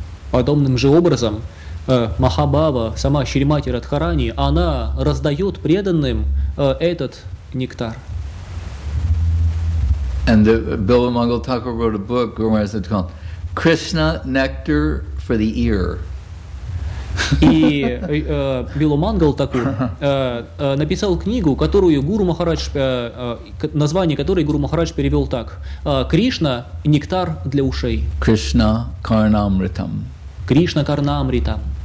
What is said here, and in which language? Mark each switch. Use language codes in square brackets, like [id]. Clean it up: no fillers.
[ru] Подобным же образом, Махабава, сама Шримати Радхарани, она раздает преданным этот нектар. [en] And the Bilvamangal Thakur wrote a book, Guru Maharaj said, called Krishna Nectar for the Ear. [ru] И Билумангал Такур написал книгу, которую Гуру Махарадж, название которой Гуру Махарадж перевел так: Кришна — нектар для ушей. Кришна карнамритам. [en] Krishna Karnamrita.